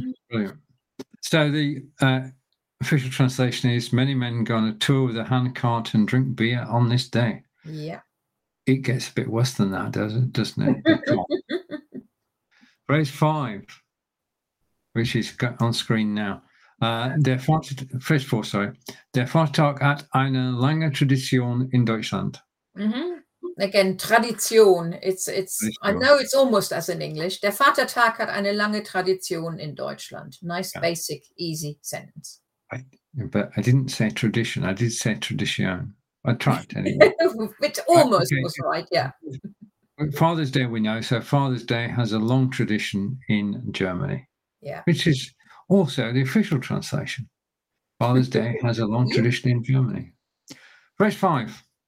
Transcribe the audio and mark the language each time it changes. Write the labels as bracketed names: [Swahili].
[English] Brilliant. So the official translation is many men go on a tour with a handcart and drink beer on this day. Yeah. It gets a bit worse than that, doesn't it? Phrase five, which is on screen now. [German] Der Vatertag hat eine lange Tradition in Deutschland. [English] Mm-hmm. Again, Tradition. I know it's almost as in English. [German] Der Vatertag hat eine lange Tradition in Deutschland. [English] Nice, basic, easy sentence. But I didn't say tradition. I did say tradition. attract anyone. Which almost was right, yeah. Father's Day, we know. So Father's Day has a long tradition in Germany. Yeah. Which is also the official translation. Father's Day has a long tradition in Germany. Verse 5.